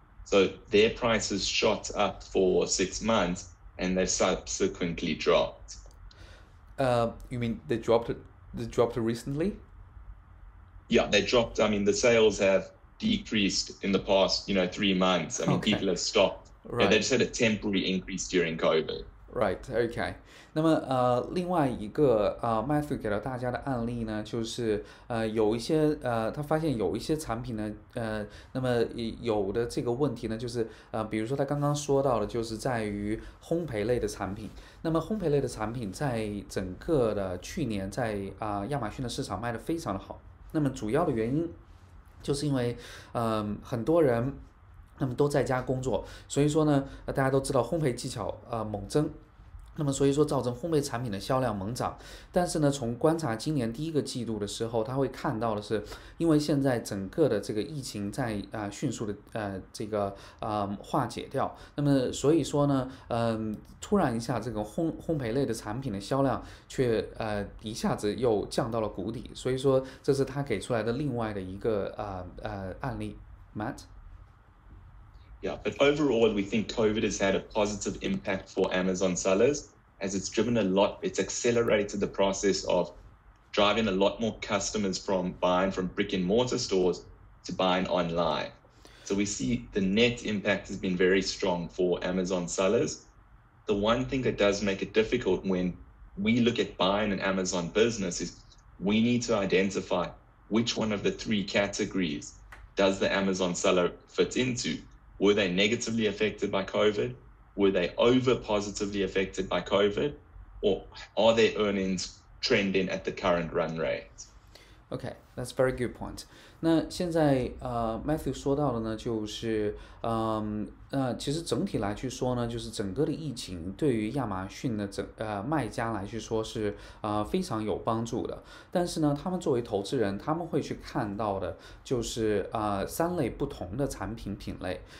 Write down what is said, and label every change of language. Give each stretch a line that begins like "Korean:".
English: So their prices shot up for 6 months and they subsequently dropped. You mean they dropped recently? Yeah, they dropped. I mean, the sales have decreased in the past, 3 months. I mean, people have stopped. Right. Yeah, they just had a temporary increase during COVID. Right, okay.
Chinese: 那么另外一个Matthew 给了大家的案例呢，就是有一些他发现有一些产品呢，那么有的这个问题呢，就是比如说他刚刚说到的，就是在于烘焙类的产品。那么烘焙类的产品在整个的去年在亚马逊的市场卖得非常的好。那么主要的原因就是因为很多人。那么都在家工作，所以说呢大家都知道烘焙技巧猛增，那么所以说造成烘焙产品的销量猛涨。但是呢从观察今年第一个季度的时候，他会看到的是因为现在整个的这个疫情在迅速的化解掉，那么所以说呢突然一下这个烘焙类的产品的销量却一下子又降到了谷底，所以说这是他给出来的另外的一个案例。 Matt?
English: Yeah, but overall, we think COVID has had a positive impact for Amazon sellers as it's driven a lot. It's accelerated the process of driving a lot more customers from buying from brick and mortar stores to buying online. So we see the net impact has been very strong for Amazon sellers. The one thing that does make it difficult when we look at buying an Amazon business is we need to identify which one of the three categories does the Amazon seller fit into. Were they negatively affected by COVID? Were they over positively affected by COVID? Or are their earnings trending at the current run rate? Okay, that's a very good point.
Chinese: 那现在Matthew 说到的呢就是其实整体来去说呢，就是整个的疫情对于亚马逊的卖家来去说是非常有帮助的。但是呢，他们作为投资人，他们会去看到的就是三类不同的产品品类。